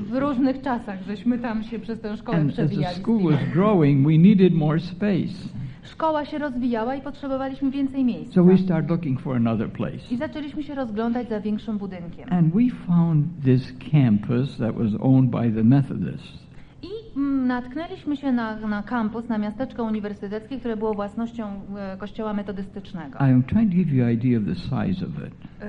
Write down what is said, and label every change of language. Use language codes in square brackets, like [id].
[pl] W różnych czasach, żeśmy tam się przez tę szkołę przebijali. [en] And as the school was growing, we needed more space. [pl] Szkoła się rozwijała i potrzebowaliśmy więcej miejsca. [en] So we start looking for another place. [pl] I zaczęliśmy się rozglądać za większym budynkiem. [en] And we found this campus that was owned by the Methodists. [pl] I natknęliśmy się na kampus, na miasteczko uniwersyteckie, które było własnością kościoła metodystycznego. [en] I am trying to give you idea of the size of it.